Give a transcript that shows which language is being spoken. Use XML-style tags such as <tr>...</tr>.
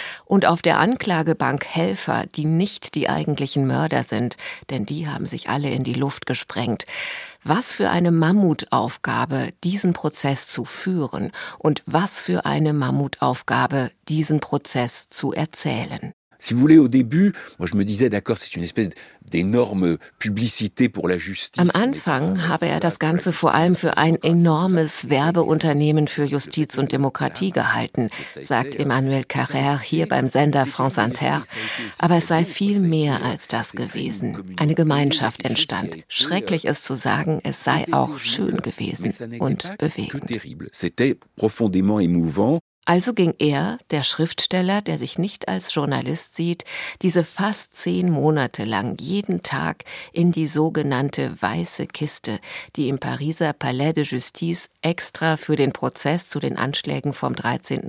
<de>Und auf der Anklagebank Helfer, die nicht die eigentlichen Mörder sind, denn die haben sich alle in die Luft gesprengt. Was für eine Mammutaufgabe, diesen Prozess zu führen. Und was für eine Mammutaufgabe, diesen Prozess zu erzählen.</de> <fr>Si vous voulez, au début, moi je me disais, d'accord, c'est une espèce d'énorme publicité pour la justice.</fr> <de>Am Anfang habe er das Ganze vor allem für ein enormes Werbeunternehmen für Justiz und Demokratie gehalten, sagt Emmanuel Carrère hier beim Sender France Inter. Aber es sei viel mehr als das gewesen. Eine Gemeinschaft entstand. Schrecklich ist zu sagen, es sei auch schön gewesen und bewegend.</de> <fr>C'était profondément émouvant.</fr> <de>Also ging er, der Schriftsteller, der sich nicht als Journalist sieht, diese fast 10 Monate lang jeden Tag in die sogenannte weiße Kiste, die im Pariser Palais de Justice extra für den Prozess zu den Anschlägen vom 13.</de>